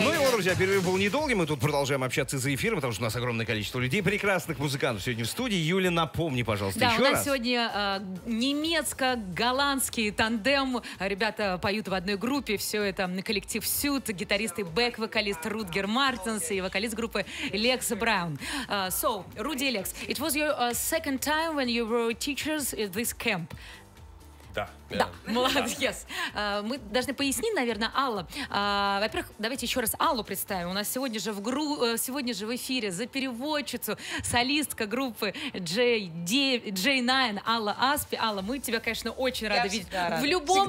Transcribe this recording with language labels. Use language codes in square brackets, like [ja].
[ru] Друзья, перерыв был недолгий, мы тут продолжаем общаться за эфиром, потому что у нас огромное количество людей, прекрасных музыкантов сегодня в студии. Юля, напомни, пожалуйста, да, еще раз. Да, у нас сегодня немецко-голландский тандем. Ребята поют в одной группе, все это на коллектив «Сюд», гитарист и бэк-вокалист Рутгер Мартинс и вокалист группы Лекс Браун. [en] So, Руди и Лекс, it was your second time when you were teachers at this camp. [ru] Да. Молодец. [en] Yes. [ru] Мы должны пояснить, наверное, Алла. Во-первых, давайте еще раз Аллу представим. У нас сегодня же в эфире за переводчицу солистка группы J9 Алла Аспи. Алла, мы тебя, конечно, очень рады видеть. Рада. В любом